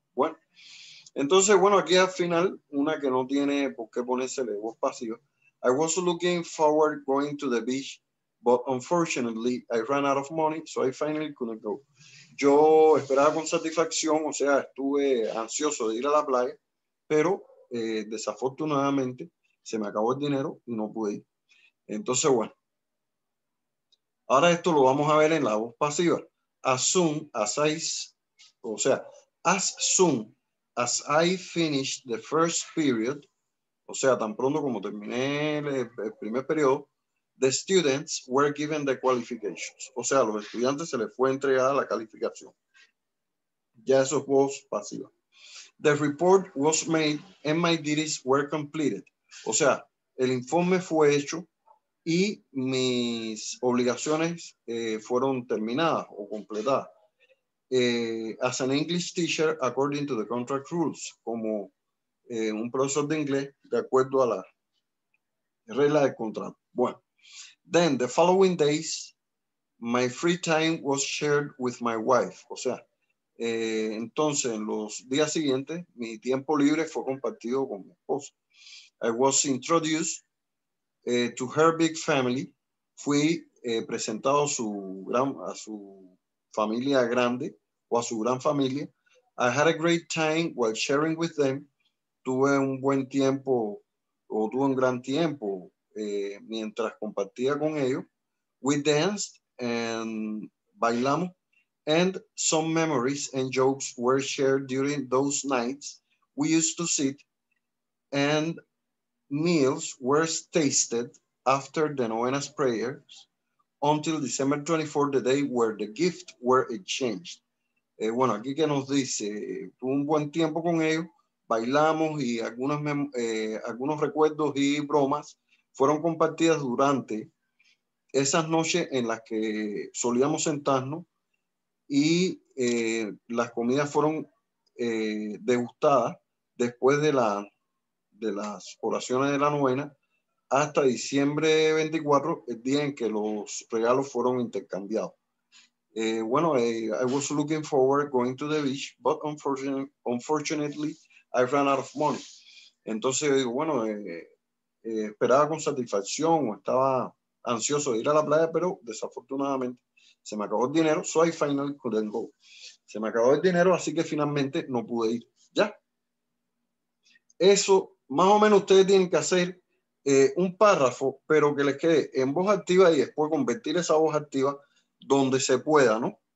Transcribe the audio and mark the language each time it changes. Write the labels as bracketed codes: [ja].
[es] Bueno, entonces, bueno, aquí al final, una que no tiene por qué ponerse de voz pasiva. [en] I was looking forward going to the beach, but unfortunately, I ran out of money, so I finally couldn't go. [es] Yo esperaba con satisfacción, o sea, estuve ansioso de ir a la playa, pero desafortunadamente se me acabó el dinero y no pude ir. Entonces, bueno. Ahora esto lo vamos a ver en la voz pasiva. [en] As soon as I, [es] o sea, [en] as soon as I finished the first period, [es] o sea, tan pronto como terminé el primer periodo, [en] the students were given the qualifications. [es] O sea, a los estudiantes se les fue entregada la calificación. Ya eso es voz pasiva. [en] The report was made and my duties were completed. [es] O sea, el informe fue hecho y mis obligaciones fueron terminadas o completadas. [en] As an English teacher, according to the contract rules, [es] como un profesor de inglés, de acuerdo a la regla del contrato. Bueno, [en] then the following days, my free time was shared with my wife. [es] O sea, entonces, en los días siguientes, mi tiempo libre fue compartido con mi esposa. [en] I was introduced to her big family. [es] Fui presentado a su familia grande o a su gran familia. [en] I had a great time while sharing with them. [es] Tuve un buen tiempo o tuve un gran tiempo mientras compartía con ellos. [en] We danced and [es] bailamos. [en] And some memories and jokes were shared during those nights. We used to sit and meals were tasted after the novena's prayers until December 24, the day where the gift were exchanged. [es] Bueno, aquí que nos dice, tuve un buen tiempo con ellos, bailamos y algunos recuerdos y bromas fueron compartidas durante esas noches en las que solíamos sentarnos. Y las comidas fueron degustadas después de las oraciones de la novena hasta diciembre 24, el día en que los regalos fueron intercambiados. Bueno, [en] I was looking forward going to the beach, but unfortunately, I ran out of money. [es] Entonces, yo digo, bueno, esperaba con satisfacción o estaba ansioso de ir a la playa, pero desafortunadamente, se me acabó el dinero, [en] so I finally couldn't go. [es] Se me acabó el dinero, así que finalmente no pude ir. Ya. Eso, más o menos ustedes tienen que hacer un párrafo, pero que les quede en voz activa y después convertir esa voz activa donde se pueda, ¿no?